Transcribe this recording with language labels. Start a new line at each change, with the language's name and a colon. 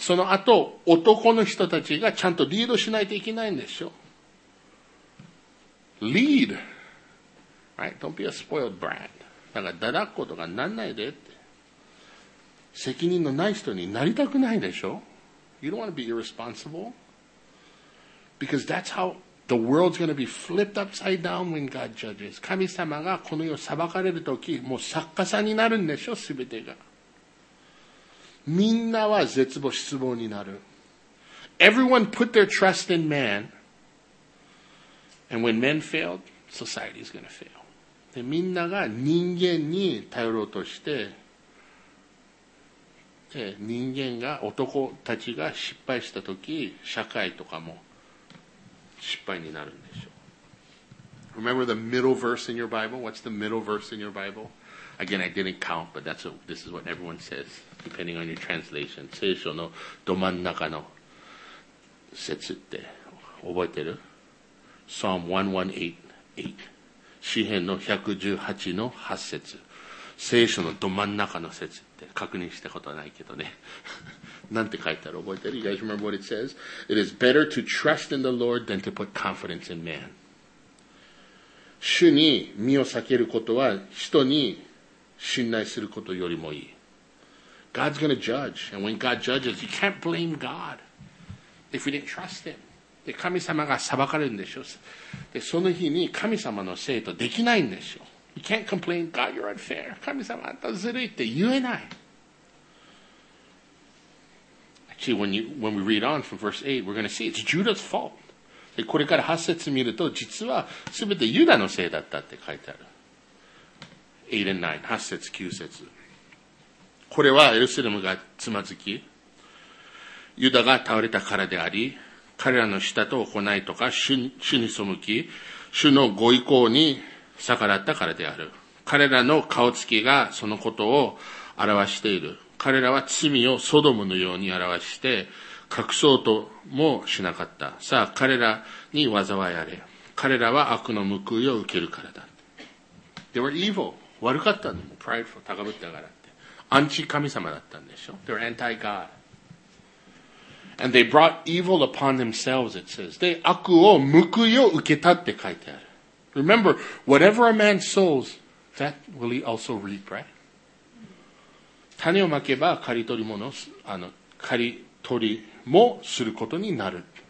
Japanese: その後、男の人たちがちゃんとリードしないといけないんでしょ。
English: Lead. Right? Don't be a spoiled brat.
Japanese: だから、だらっことかなんないでって。責任のない人になりたくないでしょ。
English: You don't want to be irresponsible. Because that's howThe world's gonna be flipped upside down when God judges.
Japanese: 神様がこの世を裁かれるとき、もう作家さんになるんでしょ、すべてが。みんなは絶望、失望になる。
English: Everyone put their trust in man. And when men failed, society's gonna fail.
Japanese: で、みんなが人間に頼ろうとして、で、人間が、男たちが失敗したとき、社会とかも、失敗になるんでしょう。
English: Remember the middle verse in your Bible? What's the middle verse in your Bible? Again, I didn't count, but this is what everyone says, depending on your translation.
Japanese: 聖書のど真ん中の節って覚えてる？ Psalm 118:8。 詩篇の118:8節。聖書のど真ん中の節って確認したことないけどね。なんて書いてある覚えてる？
English: You guys remember what it says? It is better to trust in the Lord than to put confidence in man.
Japanese: 主に身を避けることは人に信頼することよりもいい。
English: God's gonna judge. And when God judges, you can't blame God if we didn't trust him.
Japanese: で、神様が裁かれるんでしょ。で、その日に神様のせいとできないんでしょ。
English: You can't complain, God, you're unfair.
Japanese: 神様、あんたずるいって言えない。
English: See, when we read on from verse 8, we're going to see it's Judah's fault.
Japanese: で、これから8節見ると、実は全てユダのせいだったって書いてある。 8 and 9, 8節、9節。これはエルサレムがつまずき、ユダが倒れたからであり、彼らの舌と行いとか、主に背き、主のご意向に逆らったからである。彼らの顔つきがそのことを表している。彼らは罪をソドムのように表して隠そうともしなかった。さあ、彼らに災いあれ。彼らは悪の報いを受けるからだ。
English: They were evil.
Japanese: 悪かったの。Prideful. 高ぶったからって。アンチ神様だったんでしょ。
English: They were anti-God. And they brought evil upon themselves, it says.
Japanese: で、悪を報いを受けたって書いてある。
English: Remember, whatever a man sows, that will he also reap, right?
Japanese: 種をまけば刈り取りもの、刈り取りもすることになる。